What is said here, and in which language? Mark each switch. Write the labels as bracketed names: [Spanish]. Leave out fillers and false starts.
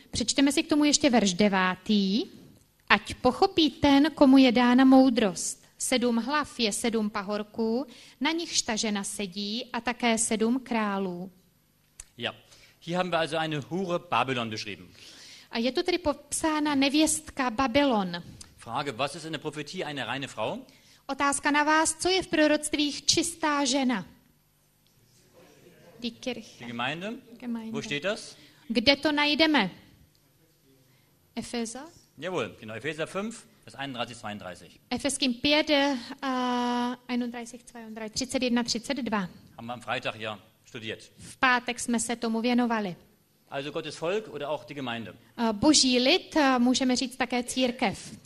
[Czech] Přečteme si k tomu ještě verš 9. Ať pochopí ten, komu je dána moudrost. Sedm hlav je sedm pahorků, na nichž ta žena sedí a také sedm králů. [German] Ja. Hier haben wir also eine Hure Babylon beschrieben. [Czech] A je tu tedy popsána nevěstka Babylon. [German] Frage, was ist in der Prophetie eine reine Frau? [Czech] Otázka na vás, co je v proroctvích čistá žena? [German] Die Kirche. Die Gemeinde. Gemeinde. Wo steht das? [Czech] Kde to najdeme? Efeza? [German] Jawohl, genau, Epheser 5, Vers 31, 32. [Czech] Efeským 5, 31, 32. [German] Haben wir am Freitag ja studiert. [Czech] V pátek jsme se tomu věnovali. [German] Also Gottes Volk oder auch die Gemeinde. [Czech] Boží lid, můžeme říct také církev.